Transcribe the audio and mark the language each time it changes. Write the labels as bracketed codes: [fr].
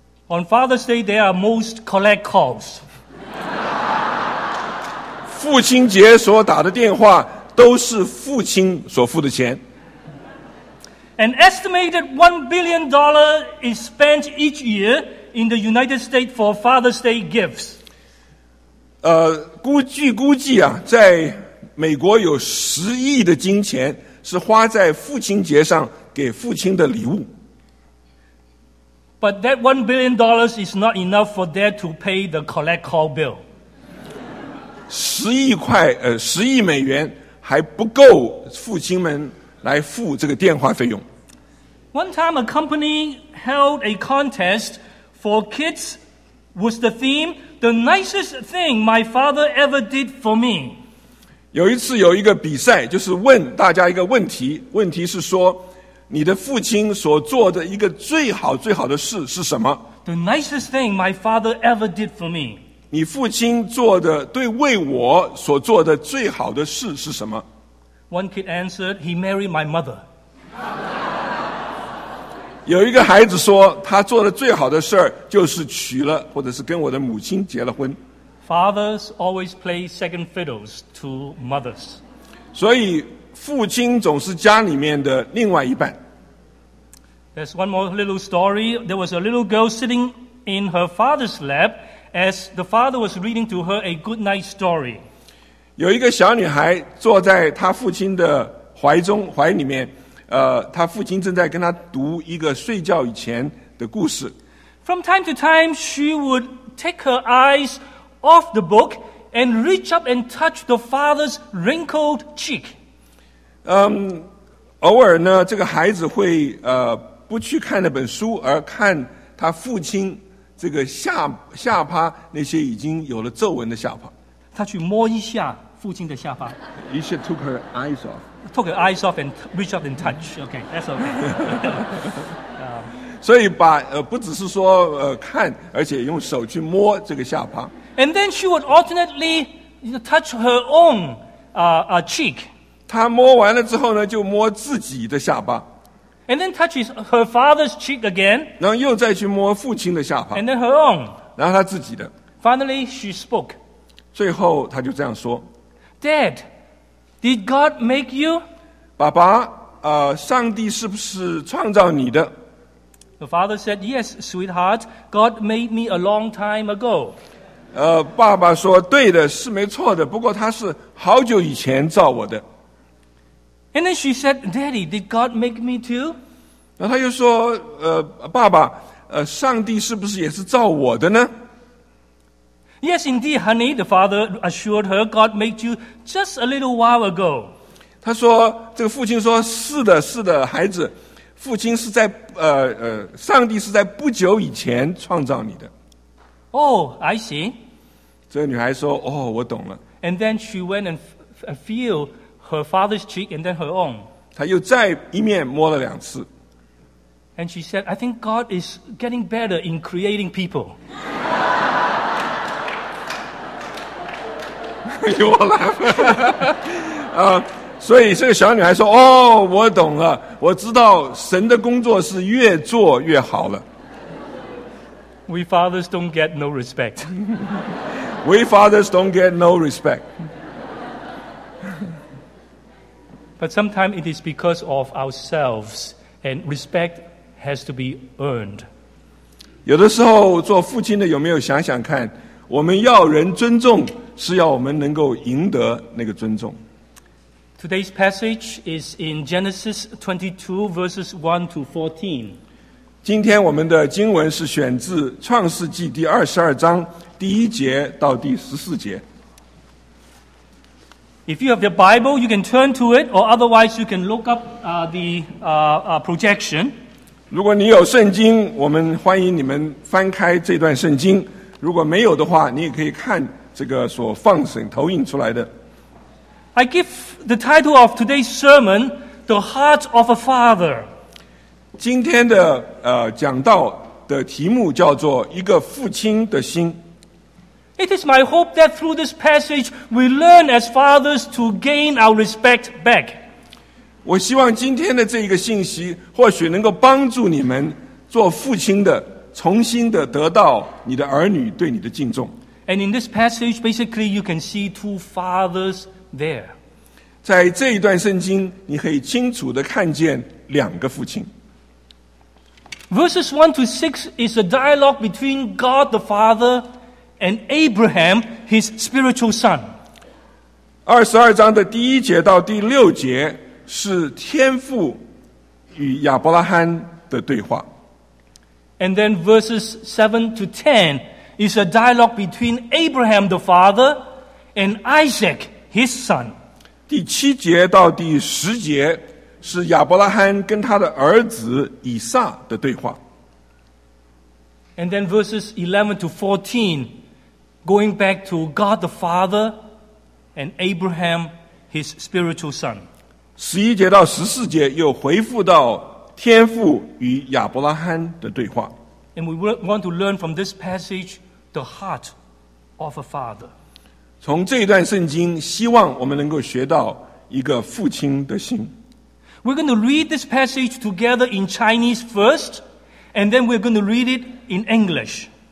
[en] On Father's Day, there are most collect calls. [zh] 父亲节所打的电话都是父亲所付的钱。 [en] An estimated $1 billion is spent each year in the United States for Father's Day gifts. [zh] 据估计啊，在美国有10亿的金钱是花在父亲节上给父亲的礼物。 [en] But that $1 billion is not enough for that to pay the collect call bill. [zh] 10亿美元还不够父亲们来付这个电话费用。 [en] One time a company held a contest for kids with the theme, the nicest thing my father ever did for me. [zh] 有一次有一个比赛，就是问大家一个问题，问题是说你的父亲所做的一个最好最好的事是什么？ [en] The nicest thing my father ever did for me. [zh] 你父亲做的对为我所做的最好的事是什么？ [en] One kid answered, he married my mother. [zh] 有一个孩子说，他做的最好的事就是娶了，或者是跟我的母亲结了婚。 [en] Fathers always play second fiddles to mothers. [zh] 所以父亲总是家里面的另外一半。 [en] There's one more little story. There was a little girl sitting in her father's lap as the father was reading to her a good night story. [zh] 有一个小女孩坐在她父亲的怀里面，她父亲正在跟她读一个睡觉以前的故事。 [en] From time to time, she would take her eyes off the book and reach up and touch the father's wrinkled cheek. [zh] 偶尔呢，这个孩子会不去看那本书，而看他父亲这个下巴那些已经有了皱纹的下巴。他去摸一下父亲的下巴。 [en] She took her eyes off. Took her eyes off and reach up and touch. Okay, that's okay. [zh] 所以把不只是说看，而且用手去摸这个下巴。 [en] And then she would alternately touch her own cheek. [zh] 他摸完了之后呢，就摸自己的下巴。 [en] And then touches her father's cheek again. [zh] 然后又再去摸父亲的下巴。 [en] And then her own. [zh] 然后他自己的。 [en] Finally, she spoke. [zh] 最后他就这样说。 [en] Dad, did God make you? [zh] 爸爸，上帝是不是创造你的？ [en] The father said, yes, sweetheart, God made me a long time ago. [zh] 爸爸说，对的，是没错的，不过他是好久以前造我的。 [en] And then she said, Daddy, did God make me too? [zh] 然后他又说，爸爸，上帝是不是也是造我的呢？ [en] Yes, indeed, honey, the father assured her, God made you just a little while ago. [zh] 他说，这个父亲说，是的，是的，孩子，父亲是在，上帝是在不久以前创造你的。 [en] Oh, I see. [zh] 这个女孩说，哦，我懂了。 [en] And then she went and feel her father's cheek and then her own. [zh] 她又再一面摸了两次。 [en] And she said, I think God is getting better in creating people. [zh] 又来了。所以这个小女孩说，哦，我懂了，我知道神的工作是越做越好了。 [en] We fathers don't get no respect. We fathers don't get no respect. But sometimes it is because of ourselves, and respect has to be earned. [zh] 有的时候做父亲的有没有想想看，我们要人尊重，是要我们能够赢得那个尊重。 [en] Today's passage is in Genesis 22, verses 1 to 14. [zh] 今天我们的经文是选自《创世纪》第22章第一节到第14节。 [en] If you have your Bible, you can turn to it, or otherwise you can look up projection. [zh] 如果你有圣经，我们欢迎你们翻开这段圣经。如果没有的话，你也可以看这个所放省投影出来的。 [en] I give the title of today's sermon, The Heart of a Father. [zh] 今天的讲道的题目叫做一个父亲的心。 [en] It is my hope that through this passage, we learn as fathers to gain our respect back. [zh] 我希望今天的这一个信息或许能够帮助你们做父亲的重新的得到你的儿女对你的敬重。 [en] And in this passage, basically, you can see two fathers there. [zh] 在这一段圣经，你可以清楚地看见两个父亲。 [en] Verses 1 to 6 is a dialogue between God the Father and Abraham, his spiritual son. [zh] 22章的第一节到第六节是天父与亚伯拉罕的对话。 [en] And then verses 7 to 10 is a dialogue between Abraham the father and Isaac his son. [zh] 第七节到第十节是亚伯拉罕跟他的儿子以撒的对话。 [en] And then verses 11 to 14 going back to God the father and Abraham his spiritual son. [zh] 十一节到十四节又回复到天父与亚伯拉罕的对话。 [en] And we want to learn from this passage the heart of a father. [zh] 从这一段圣经，希望我们能够学到一个父亲的心。 [en] We're going to read this passage together in Chinese first, and then we're going to read it in English.